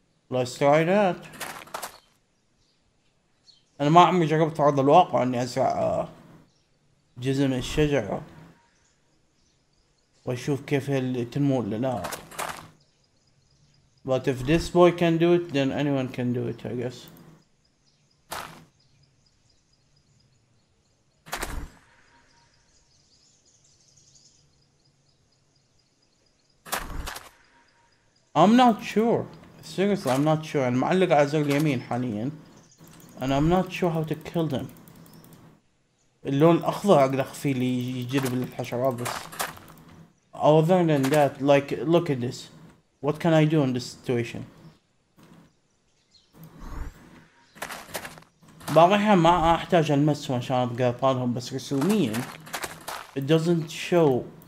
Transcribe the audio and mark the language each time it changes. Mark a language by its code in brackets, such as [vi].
[en] Let's try that. [ar] أنا ما عمري جربت أرض الواقع إني أزرع جزء من الشجرة وأشوف كيف هي تنمو ولا لا. [en] But if this boy can do it, then anyone can do it, I guess. I'm not sure. Seriously, I'm not sure. [ar] أنا معلق على زر اليمين حاليا. [en] And I'm not sure how to kill them. [ar] اللون الأخضر أقدر أخفيه اللي يجذب الحشرات بس. [en] Other than that, like, look at this. What can I do in this situation? [ar] بعض الأحيان ما أحتاج ألمسهم عشان أبقى أطالهم، بس رسوميا [en] it doesn't show.